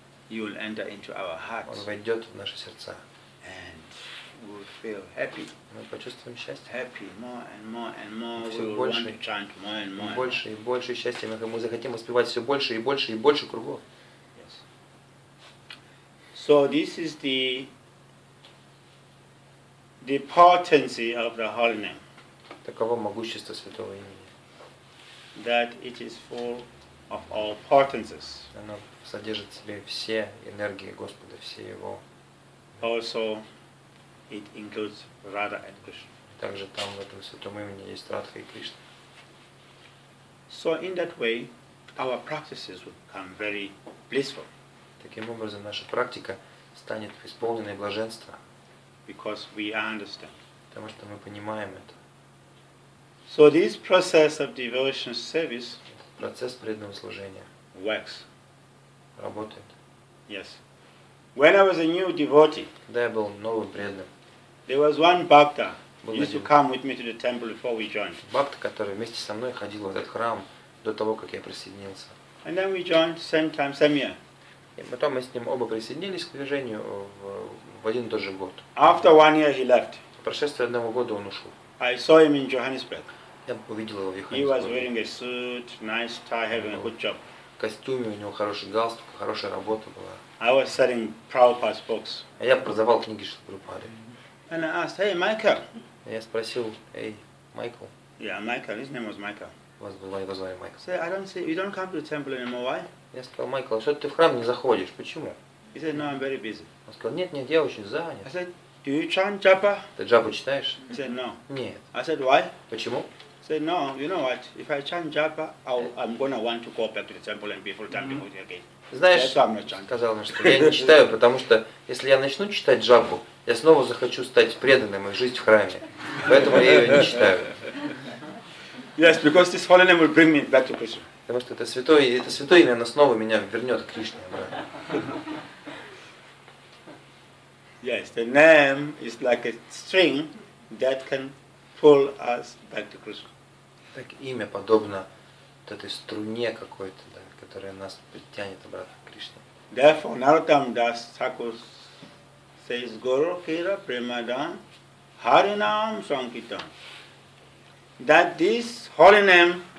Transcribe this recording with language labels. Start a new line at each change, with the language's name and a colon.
English: You will enter into our hearts.
Russian: Он войдет в наши сердца.
English: And we will feel happy.
Russian: Мы почувствуем счастье.
English: Happy more and more and more.
Russian: Все больше.
English: Want to chant more and more.
Russian: Больше и больше счастья. Мы захотим воспевать все больше и больше и больше кругов.
English: Yes. So this is the potency of the holy name.
Russian: Таково могущество святого имени.
English: That it is full of all potencies.
Russian: Оно содержит в себе все энергии Господа, все его.
English: Also, it includes Radha and Krishna.
Russian: Также там в этом святом имени есть Радха и Кришна.
English: So in that way, our practices would become very blissful.
Russian: Таким образом, наша практика станет исполненной блаженства.
English: Because we understand.
Russian: Потому что мы понимаем это.
English: So this process of devotional service.
Russian: Процесс преданного служения.
English: Works.
Russian: Работает.
English: Yes. When I was a new devotee.
Russian: Когда я был новым преданным.
English: There was one bhakta.
Russian: Был
English: used to come with me to the temple before we joined.
Russian: Бхакта, который вместе со мной ходил в этот храм до того, как я присоединился.
English: And then we joined same time, same year.
Russian: И потом мы с ним оба присоединились к движению в один и тот же год.
English: After one year he left.
Russian: По прошествии одного года он ушел.
English: I saw him in Johannesburg.
Russian: Я увидел его в Йоханнесбурге.
English: He was wearing a suit, nice tie, having a good job.
Russian: В костюме, у него хороший галстук, хорошая работа была.
English: I was selling Prabhupada's books.
Russian: А я продавал книги Шрилы Прабхупады.
English: And I asked, hey, Michael.
Russian: Я спросил, эй, Майкл.
English: Yeah, Michael, his name was Michael.
Russian: Вас было его звали Майкл.
English: Say, I don't see, you don't come to the temple anymore, why?
Russian: Я сказал, Майкл, а что ты в храм не заходишь? Почему?
English: He said, no, I'm very busy.
Russian: Он сказал, нет, я очень занят.
English: I said, do you chant japa?
Russian: Ты джапу читаешь?
English: He said, no.
Russian: Нет.
English: I said, why?
Russian: Почему?
English: He said, no, you know what? If I chant japa, I'm gonna want to go back to the temple and be full time devotee again.
Russian: Знаешь,
English: so I'm not chanting.
Russian: Сказал мне, что я не читаю, потому что если я начну читать джапу, я снова захочу стать преданным и жить в храме. Поэтому я ее не читаю.
English: Yes, because this holy name will bring me back to Krishna.
Russian: Потому что это святое имя, оно снова меня вернет к Кришне.
English: Yes, the name is like a string that can pull us back to Krishna.
Russian: Так имя подобно этой струне какой-то, да, которая нас притянет обратно к Кришне.
English: Therefore, Narottam Das Thakur says, Guru Kira Premadan Harinam Sankirtan. That this holy name